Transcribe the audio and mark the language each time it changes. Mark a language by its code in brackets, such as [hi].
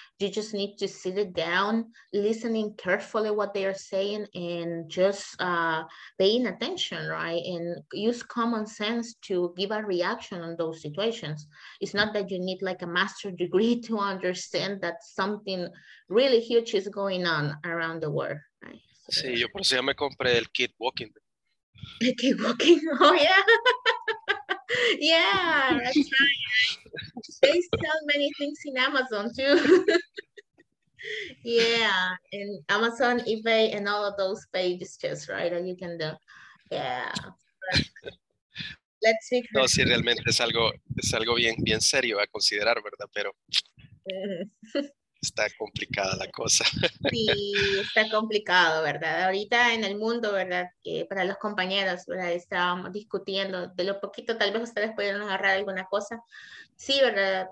[en] You just need to sit it down, listening carefully what they are saying, and just paying attention, right? And use common sense to give a reaction on those situations. It's not that you need like a master's degree to understand that something really huge is going on around the world, right? [es] So, sí, yo por eso ya me compré el kit walking. [en] The kit walking, oh yeah. Yeah, that's right. They sell many things in Amazon too. Yeah, and Amazon, eBay, and all of those pages, just right, that you can do. Yeah. Let's see. [es] No, sí, realmente es algo bien, bien serio a considerar, ¿verdad? Pero está complicada la cosa. Sí, está complicado, ¿verdad? Ahorita en el mundo, ¿verdad? Para los compañeros, ¿verdad? Estábamos discutiendo de lo poquito, tal vez ustedes pudieron agarrar alguna cosa. Sí, ¿verdad?